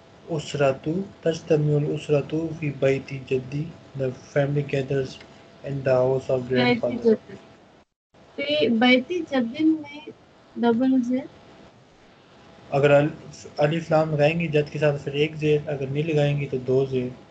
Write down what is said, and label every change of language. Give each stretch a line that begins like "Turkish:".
Arabic: أسرة تجتمي الأسرة في بيتي جدي.
English: The family gathers in the house of grandfather.
Arabic: في بيتي جدي
Urdu: میں
English: double z.
Urdu: اگر الف لام لگائیں گے جد کے ساتھ پھر ایک زیر, اگر نہیں لگائیں گے تو دو زیر.